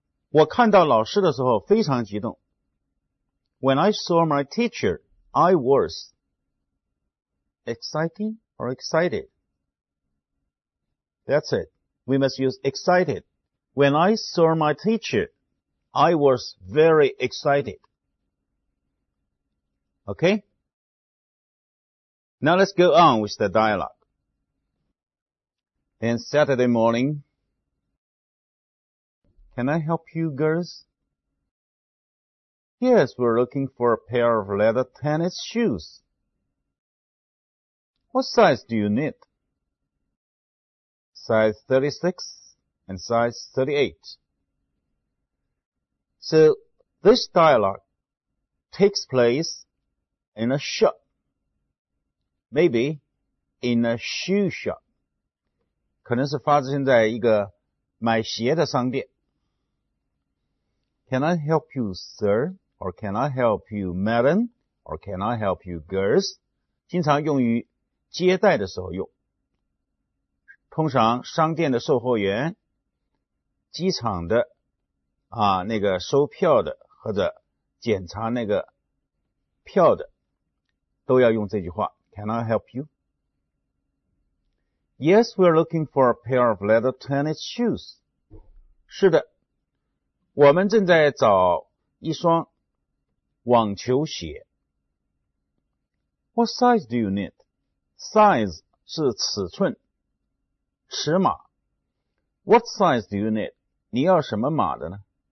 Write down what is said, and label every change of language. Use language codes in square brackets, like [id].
[zh] 我看到老师的时候非常激动。 [en] When I saw my teacher, I was exciting or excited? That's it. We must use excited. When I saw my teacher, I was very excited. Okay? Now let's go on with the dialogue. Then Saturday morning... Can I help you, girls? Yes, we're looking for a pair of leather tennis shoes. What size do you need? Size 36 and size 38. So, this dialogue takes place in a shop. Maybe in a shoe shop. [zh] 可能是发生在一个买鞋的商店。 [en] Can I help you, sir? Or can I help you, madam? Or can I help you, girls? [zh] 经常用于接待的时候用。通常商店的售货员、机场的啊那个收票的或者检查那个票的都要用这句话。 [en] Can I help you? Yes, we're looking for a pair of leather tennis shoes. [zh] 是的。我们正在找一双网球鞋。 [en] What size do you need? [zh] Size 是尺寸、尺码。 [en] What size do you need? [zh] 你要什么码的呢？